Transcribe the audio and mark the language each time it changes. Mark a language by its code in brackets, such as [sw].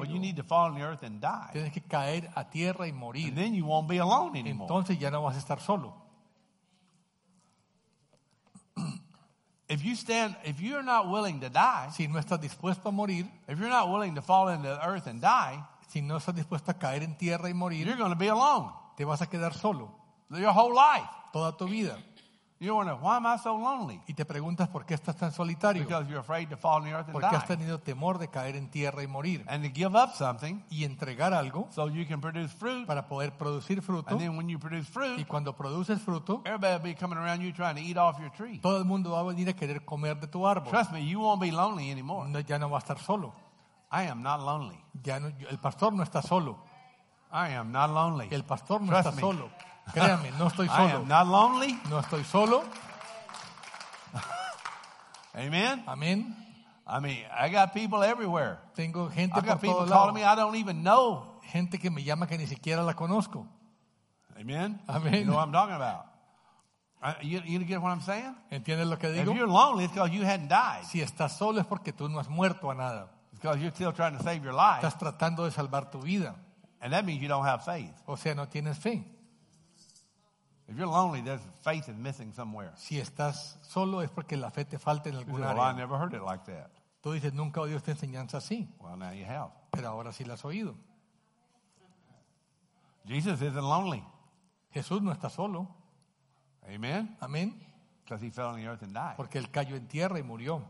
[en] Well, you need to fall on the earth and die. [es] Tienes que caer a tierra y morir. [en] And then you won't be alone anymore. [es] Entonces ya no vas a estar solo. [en] If you stand, if you're not willing to die, [es] si no estás dispuesto a morir, [en] if you're not willing to fall into the earth and die, [es] si no estás dispuesto a caer en tierra y morir, [en] you're going to be alone. [es] Te vas a quedar solo. [en] Your whole life, [es] toda tu vida. [en] You wonder why am I so lonely? [es] Y te preguntas por qué estás tan solitario. [en] Because you're afraid to fall on the earth and [es] porque [en] die. [es] Porque has tenido temor de caer en tierra y morir. [en] And to give up something, [es] y entregar algo, [en] so you can produce fruit, [es] para poder producir fruto. [en] And then when you produce fruit, [es] y cuando produces fruto, [en] everybody will be coming around you trying to eat off your tree. [es] Todo el mundo va a venir a querer comer de tu árbol. [en] Trust me, you won't be lonely anymore. [es] No, ya no va a estar solo. [en] I am not lonely. [es] Ya no, el pastor no está solo. [en] I am not lonely. [es] El pastor no [en] Trust [es] está [en] me. [es] Solo. Créame, no estoy solo. [en] I am not lonely. [es] No estoy solo. [en] Amen. [es] Amen. [en] I mean, I got people everywhere. [es] Tengo gente [en] I got people [es] todo [en] calling Me I don't even know. [es] Gente que me llama que ni siquiera la conozco. [en] Amen. [es] Amen. [en] You know what I'm talking about. You get what I'm saying? [es] ¿Entiendes lo que digo? [en] If you're lonely, it's because you hadn't died. [es] Si estás solo es porque tú no has muerto a nada. [en] It's because you're still trying to save your life. [es] Estás tratando de salvar tu vida. [en] And that means you don't have faith. [es] O sea, no tienes fe. [en] If you're lonely, there's faith is missing somewhere. [es] Si estás solo es porque la fe te falta en algún [en] you [es] área. [en] Say, well, I never heard it like that. [es] Tú dices, nunca oí esta enseñanza así. [en] Well, now you have. [es] Pero ahora sí la has oído. [en] Jesus isn't lonely. [es] Jesús no está solo. [en] Amen. [es] Amén. [en] Because he fell on the earth and died. [es] Porque él cayó en tierra y murió.